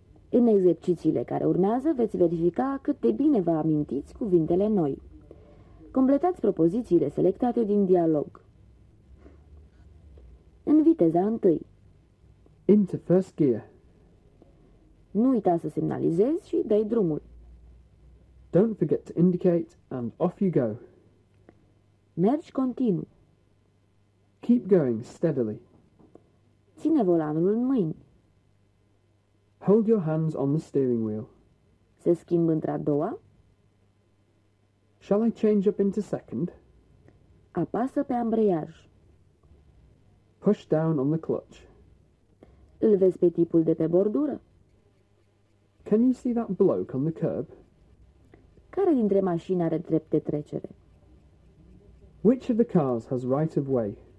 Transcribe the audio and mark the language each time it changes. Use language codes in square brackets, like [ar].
[ro] În exercițiile care urmează, veți verifica cât de bine vă amintiți cuvintele noi. Completați propozițiile selectate din dialog. În viteza întâi. [en] Into first gear. [ro] Nu uita să semnalizezi și dă-i drumul. [en] Don't forget to indicate and off you go. [ro] Mergi continuu. [en] Keep going steadily. [ro] Ține volanul în mâini. [en] Hold your hands on the steering wheel. [ro] Se schimb între a doua. [en] Shall I change up into second? [ro] Apasă pe ambreiaj. [en] Push down on the clutch. [ro] Îl vezi pe tipul de pe bordură? [en] Can you see that bloke on the curb? [ro] Care dintre mașini are drept de trecere? [en] Which of the cars has right of way?